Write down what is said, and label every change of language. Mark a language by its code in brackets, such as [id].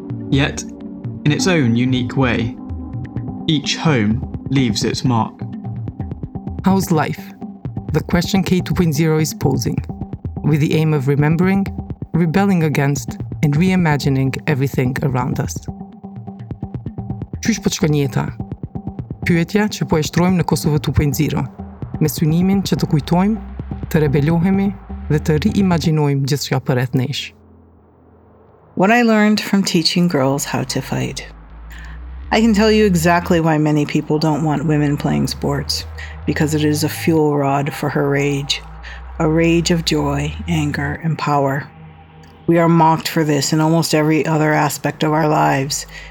[en] Yet, in its own unique way, each home leaves its mark. How's life? The question K2.0 is posing, with the aim of remembering, rebelling against, and reimagining everything around us. [sq] Qysh po shkon jeta? Pyetja që po e shtrojmë në Kosovë 2.0, me synimin që të kujtojmë, të rebelohemi dhe të reimaginojmë gjithçka përreth nesh. [en] What I learned from teaching girls how to fight. I can tell you exactly why many people don't want women playing sports, because it is a fuel rod for her rage. A rage of joy, anger, and power. We are mocked for this in almost every other aspect of our lives.